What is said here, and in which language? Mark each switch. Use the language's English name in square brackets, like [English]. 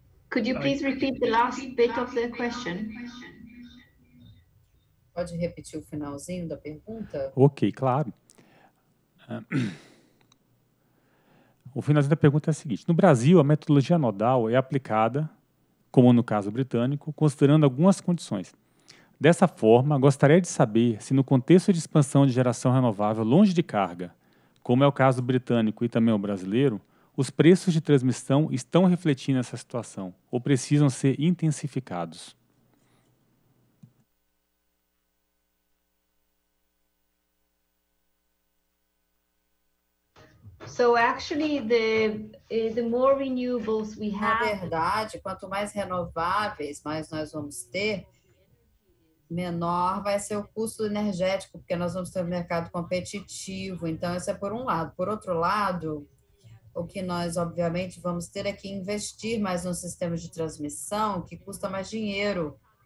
[English] Could you please repeat the last bit of the question? [Portuguese] Pode repetir o finalzinho da pergunta? Ok, claro. O finalzinho da pergunta é o seguinte. No Brasil, a metodologia nodal é aplicada, como no caso britânico, considerando algumas condições. Dessa forma, gostaria de saber se no contexto de expansão de geração renovável longe de carga, como é o caso britânico e também o brasileiro, os preços de transmissão estão refletindo essa situação ou precisam ser intensificados? [English] So actually the more renewables we have, [Portuguese] na verdade, quanto mais renováveis mais nós vamos ter, menor vai ser o custo energético, porque nós vamos ter um mercado competitivo. Então isso é por um lado. Por outro lado, o que nós, obviamente, vamos ter é que investir mais no sistema de transmissão, que custa mais dinheiro.